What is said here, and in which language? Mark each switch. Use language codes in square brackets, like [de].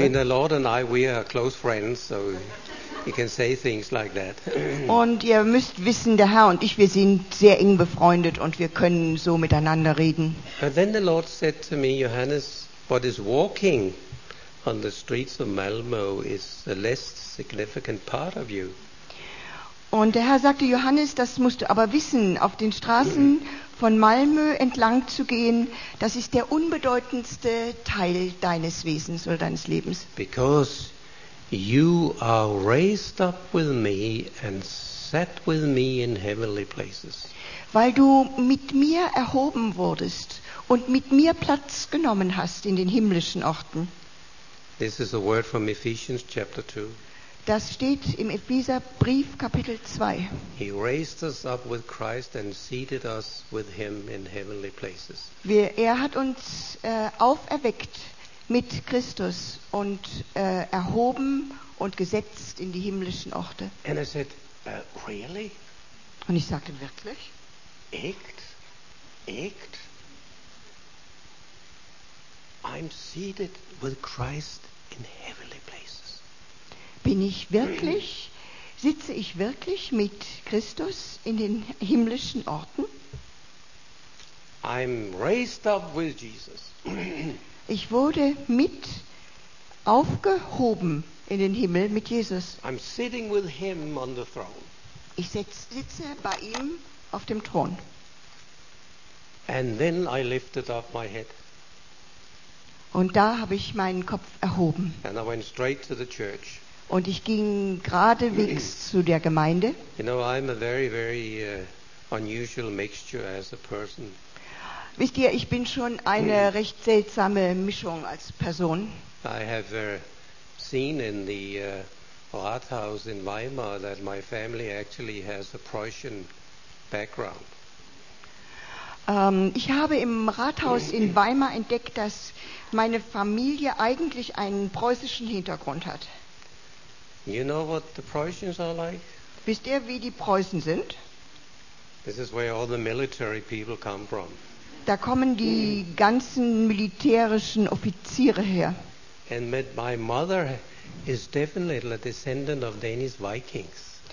[en] Now, the Lord and I, we are close friends, so you can say things like that. [de] Und ihr müsst wissen, der Herr und ich, wir sind sehr eng befreundet und wir können so miteinander reden. [en] But then the Lord said to me, Johannes, what is walking on the streets of Malmö is the less significant part of you. [de] Und der Herr sagte, Johannes, das musst du aber wissen, auf den Straßen von Malmö entlang zu gehen, das ist der unbedeutendste Teil deines Wesens oder deines Lebens. [en] Because you are raised up with me and sat with me in heavenly places. [de] Weil du mit mir erhoben wurdest und mit mir Platz genommen hast in den himmlischen Orten. [en] This is a word from Ephesians chapter 2. [de] Das steht im Epheserbrief Kapitel 2. [en] He raised us up with Christ and seated us with him in heavenly places. [de] Er hat uns auferweckt mit Christus und erhoben und gesetzt in die himmlischen Orte. [en] And I said, really? [de] Und ich sagte, wirklich? Echt? Echt? [en] I'm seated with Christ in heavenly places. [de] Bin ich wirklich, sitze ich wirklich mit Christus in den himmlischen Orten? [en] I'm raised up with Jesus. [de] Ich wurde mit aufgehoben in den Himmel mit Jesus. [en] I'm sitting with him on the throne. [de] Ich sitze bei ihm auf dem Thron. [en] And then I lifted up my head. [de] Und da habe ich meinen Kopf erhoben. [en] And I went straight to the church. [de] Und ich ging geradewegs zu der Gemeinde. [en] You know, I'm a very, very unusual mixture as a person. [de] Wisst ihr, ich bin schon eine recht seltsame Mischung als Person. [en] I have seen in the Rathaus in Weimar that my family actually has a Prussian background. [de] Ich habe im Rathaus in Weimar entdeckt, dass meine Familie eigentlich einen preußischen Hintergrund hat. [en] You know what the Prussians are like? [de] Wisst ihr, wie die Preußen sind? [en] This is where all the military people come from. [de] Da kommen die ganzen militärischen Offiziere her. [en] And my mother is definitely a descendant of Danish Vikings.